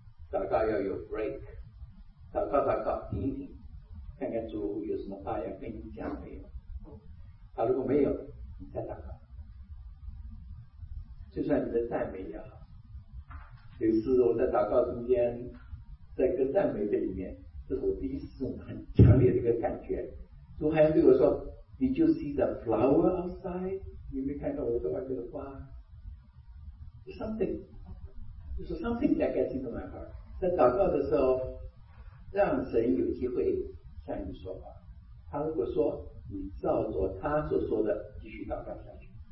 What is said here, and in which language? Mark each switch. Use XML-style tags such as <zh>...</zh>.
<zh>祷告要有 break， 祷告祷告停一停，看看主有什么话要跟你讲没有。好，如果没有，你再祷告。就算你的赞美也好，有时我在祷告中间，在跟赞美这里面，这是我第一次很强烈的一个感觉。主还对我说</zh> <en>：“Did you see the flower outside？</en> <zh>你没看到我在外面的花 ？</zh> <en>Something。”</en> <zh>就是</zh> <en>something that gets into my heart，</en> <zh>在祷告的时候让神有机会向你说话，他如果说你照着他所说的继续祷告下去，</zh>